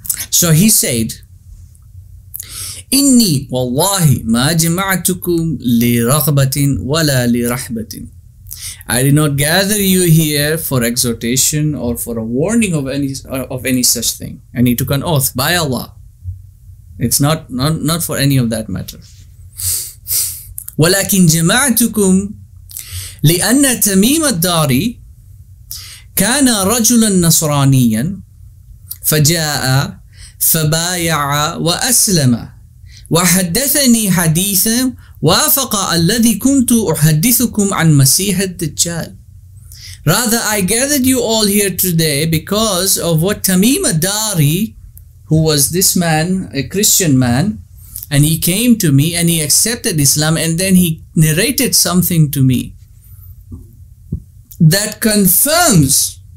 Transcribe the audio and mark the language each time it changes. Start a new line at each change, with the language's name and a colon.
English: So he said,
Arabic: إني والله ما جمعتكم لرغبة ولا لرحبة.
English: I did not gather you here for exhortation or for a warning of any such thing. And he took an oath by Allah. It's not for any of that matter.
Arabic: ولكن جمعتكم لأن تميم الدار كان رجلا نصرانيا فجاء فبايع وأسلم وحدثني حديثا وافق الذي كنت أحدثكم عن مسيح الدجال.
English: Rather, I gathered you all here today because of what Tamim al-Dari, who was this man, a Christian man, and he came to me and he accepted Islam, and then he narrated something to me that confirms.